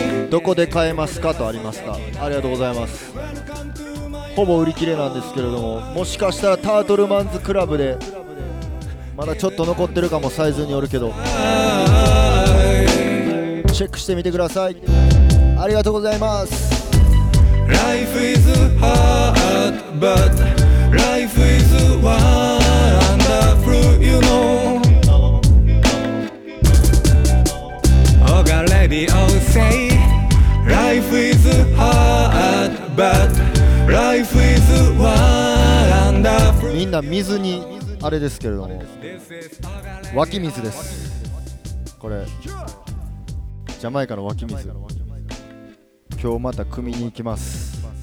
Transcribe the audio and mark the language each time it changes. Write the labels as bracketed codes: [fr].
[ja] どこで買えますかとありますか。ありがとうございます。ほぼ売り切れなんですけれども、もしかしたらタートルマンズクラブでまだちょっと残ってるかも、サイズによるけど、チェックしてみてください。ありがとうございます。 [en] Life is hard but life is wonderful you know、 Oh God lady oh say、Life is hard but life is wonderful。 [ja] みんな水にあれですけれども、湧き水です。これジャマイカの湧き水、今日また汲みに行きます。